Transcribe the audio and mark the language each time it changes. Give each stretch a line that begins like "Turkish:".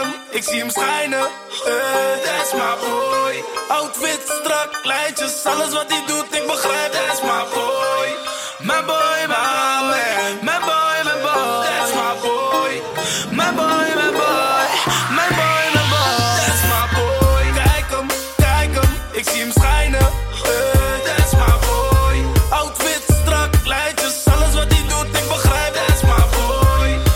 Dutch: Ik zie hem schijnen,
English: that's my boy.
Dutch: Outfit strak, lijntjes, alles wat hij doet, ik begrijp,
English: that's my boy. My boy, my man, my boy, my boy. That's my boy, my boy, my boy. My boy, my boy, that's my boy.
Dutch: Kijk hem, kijk hem, ik zie hem schijnen,
English: that's my boy.
Dutch: Outfit strak, lijntjes, alles wat hij doet, ik begrijp,
English: that's my boy.